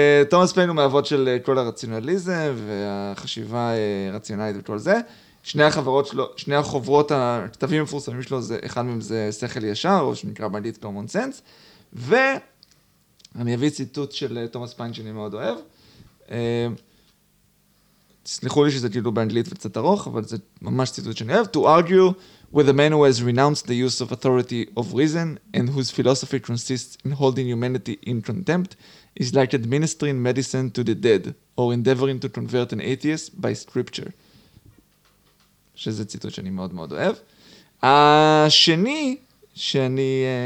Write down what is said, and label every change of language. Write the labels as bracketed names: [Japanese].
[Hebrew] תומאס פיין הוא מאבות של כל הרציונליזם, והחשיבה רציונלית וכל זה. שני החוברות, הכתבים המפורסמים שלו, אחד מהם זה שכל ישר, או שנקרא באנגלית [English] common sense, [Hebrew] ואני אביא ציטוט של תומאס פיין שאני מאוד אוהב. סליחו לי שזה כאילו באנגלית וקצת ארוך, אבל זה ממש ציטוט שאני אוהב. [English] To argue with a man who has renounced the use of authority of reason and whose philosophy consists in holding humanity in contempt is like administering medicine to the dead or endeavoring to convert an atheist by scripture. [Hebrew] שזה ציטוט שאני מאוד מאוד אוהב. השני שאני...